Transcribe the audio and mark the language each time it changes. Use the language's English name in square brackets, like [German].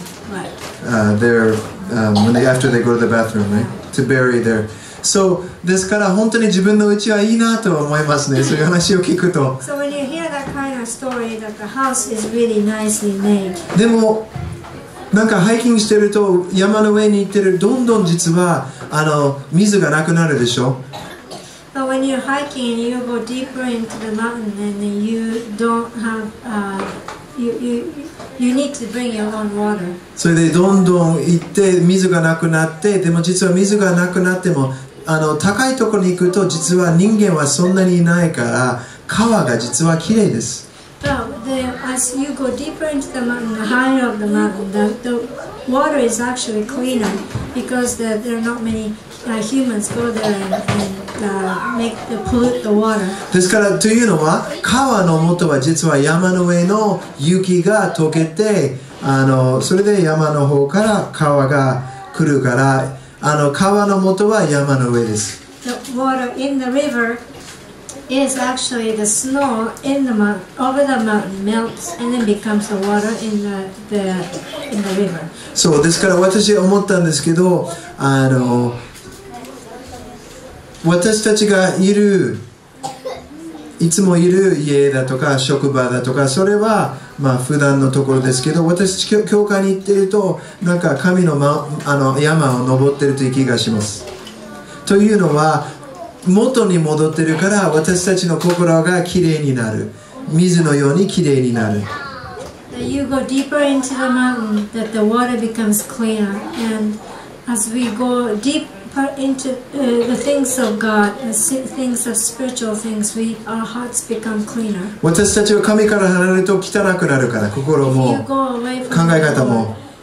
[English] they after they go to the bathroom, right? To bury their. [Japanese] So, ですから本当に自分の家はいいなと思いますね。そういう話を聞くと。 [English] So when you hear that kind of story, that the house is really nicely made. [Japanese] でも。なんかハイキングしてると山の上に行ってるどんどん実はあの水がなくなるでしょ。 [English] But when you're hiking and you go deeper into the mountain and you don't have you need to bring your own water. [Japanese] それでどんどん行って水がなくなってでも実は水がなくなってもあの高いところに行くと実は人間はそんなにいないから川が実は綺麗です。 [English] As you go deeper into the mountain, the higher of the mountain, the water is actually cleaner because there are not many humans go there and pollute the water. [Japanese] ですからというのは川の元は実は山の上の雪が溶けてあのそれで山の方から川が来るからあの川の元は山の上です。 [English] The water in the river. Is actually the snow in the over the mountain melts and then becomes the water in the river. [Japanese] そうですから私思ったんですけど、あの私たちがいるいつもいる家だとか職場だとか、それはまあ普段のところですけど、私たち教会に行っているとなんか神の、ま、あの山を登っているという気がします。というのは元に戻っているから、私たちの心がきれいになる、水のようにきれいになる。 [English] You go deeper into the mountain that the water becomes clear, and as we go deeper into the things of God, the things of spiritual things, we our hearts become cleaner. [Japanese] 私たちは神から離れると汚くなるから、心も考え方も。